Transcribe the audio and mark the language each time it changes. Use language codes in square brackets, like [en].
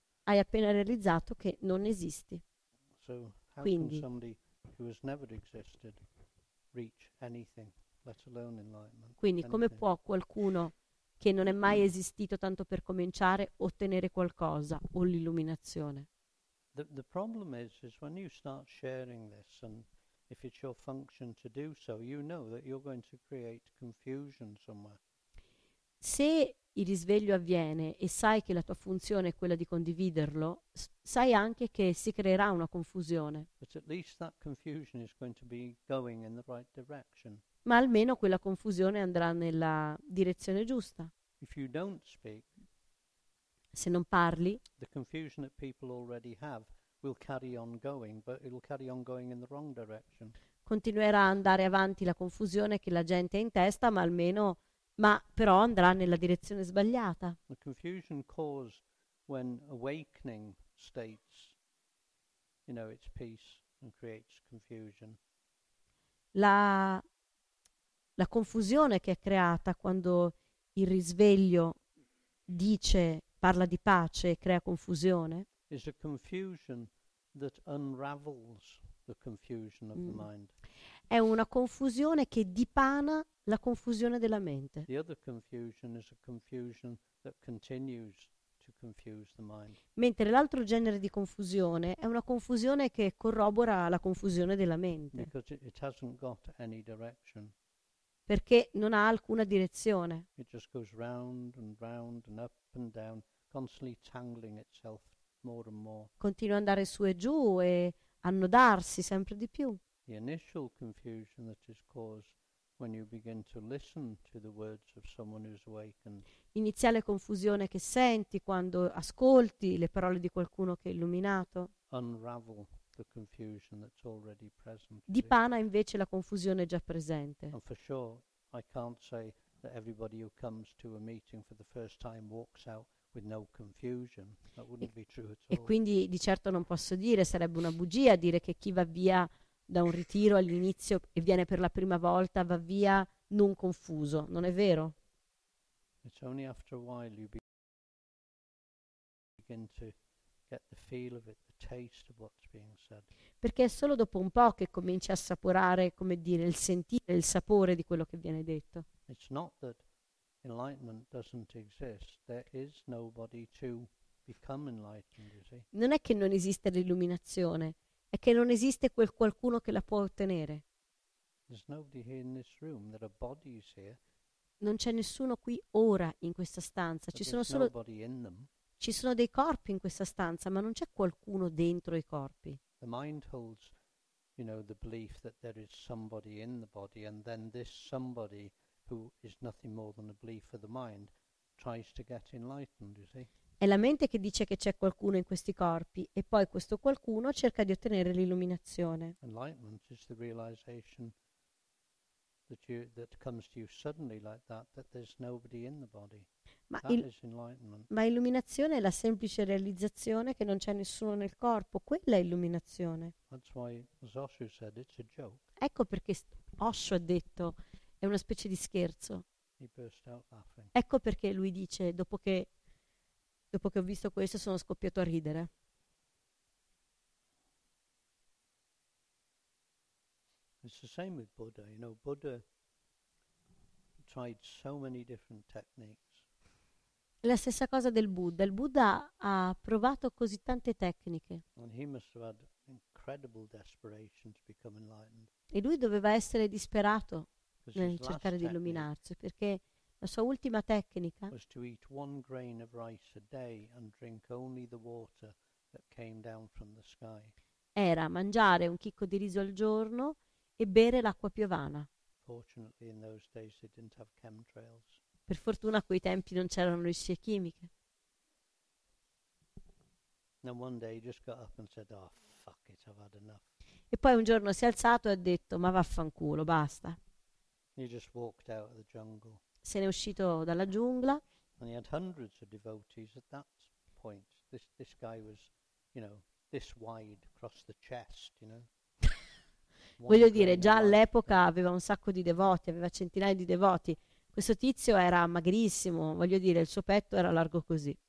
[it] Hai appena realizzato che non esisti. [en] So how [it] quindi [en] can somebody who has never existed reach anything, let alone enlightenment? [it] Quindi [en] anything. [it] Come può qualcuno che non è mai esistito tanto per cominciare ottenere qualcosa o l'illuminazione? [en] The problem is when you start sharing this and if it's your function to do so, you know that you're going to create confusion somewhere. [it] Se il risveglio avviene e sai che la tua funzione è quella di condividerlo, sai anche che si creerà una confusione. [en] But at least that confusion is going to be going in the right direction. [it] Ma almeno quella confusione andrà nella direzione giusta. [en] If you don't speak, [it] se non parli, [en] the confusion that people already have will carry on going, but it will carry on going in the wrong direction. [it] Continuerà ad andare avanti la confusione che la gente ha in testa, ma almeno, ma però andrà nella direzione sbagliata. [en] The confusion caused when awakening states, you know, it's peace and creates confusion. [it] La confusione che è creata quando il risveglio dice, parla di pace e crea confusione. [en] Is a confusion that unravels the confusion of the mind. [it] È una confusione che dipana la confusione della mente. [en] The other confusion is a confusion that continues to confuse the mind. [it] Mentre l'altro genere di confusione è una confusione che corrobora la confusione della mente. [en] Because it hasn't got any direction. [it] Perché non ha alcuna direzione. [en] It just goes round and round and up and down, constantly tangling itself. More and more. [it] Continua ad andare su e giù e annodarsi sempre di più. [en] The initial confusion that is caused when you begin to listen to the words of someone who's awakened. [it] Iniziale confusione che senti quando ascolti le parole di qualcuno che è illuminato. [en] Unravel the confusion that's already present. [it] Dipana invece la confusione già presente. [en] And for sure, I can't say that everybody who comes to a meeting for the first time walks out. With no confusion. That wouldn't be true at all. [it] E quindi di certo non posso dire, sarebbe una bugia dire che chi va via da un ritiro all'inizio e viene per la prima volta va via non confuso, non è vero? [en] It's only after a while you begin to get the feel of it, the taste of what's being said. [it] Perché è solo dopo un po' che cominci a assaporare, come dire, il sentire, il sapore di quello che viene detto. [en] It's not that enlightenment doesn't exist. There is nobody to become enlightened, you see. [it] Non è che non esiste l'illuminazione, è che non esiste quel qualcuno che la può ottenere. [en] There's nobody here in this room. There are bodies here. [it] Non c'è nessuno qui ora in questa stanza, ci sono solo ci sono dei corpi in questa stanza, ma non c'è qualcuno dentro i corpi. [en] The mind holds, you know, the belief that there is somebody in the body, and then this somebody, who is nothing more than a belief of the mind, tries to get enlightened, you see? [it] È la mente che dice che c'è qualcuno in questi corpi, e poi questo qualcuno cerca di ottenere l'illuminazione. [en] Enlightenment is the realization that you, that comes to you suddenly like that, that there's nobody in the body. [it] Ma, ma illuminazione è la semplice realizzazione che non c'è nessuno nel corpo, quella è illuminazione. [en] That's why Osho said it's a joke. [it] Ecco perché Osho ha detto è una specie di scherzo. [en] He burst out laughing. [it] Ecco perché lui dice dopo che ho visto questo sono scoppiato a ridere. [en] It's the same with Buddha. You know, Buddha tried so many different techniques. [it] La stessa cosa del Buddha. Il Buddha ha provato così tante tecniche. [en] And he must have had incredible desperation to become enlightened. [it] E lui doveva essere disperato nel cercare di illuminarsi, perché la sua ultima tecnica [en] was to eat one grain of rice a day and drink only the water that came down from the sky. [it] Era mangiare un chicco di riso al giorno e bere l'acqua piovana. [en] Fortunately in those days they didn't have chemtrails. [it] Per fortuna a quei tempi non c'erano le scie chimiche. [en] And one day he just got up and said, "Oh, fuck it, I've had enough." [it] E poi un giorno si è alzato e ha detto, "Ma vaffanculo, basta." [en] He just walked out of the jungle. [it] Se n'è uscito dalla giungla. [en] And he had hundreds of devotees at that point. This guy was, you know, this wide across the chest, you know. [it] Voglio dire, già all'epoca aveva un sacco di devoti, aveva centinaia di devoti. Questo tizio era magrissimo, voglio dire, il suo petto era largo così.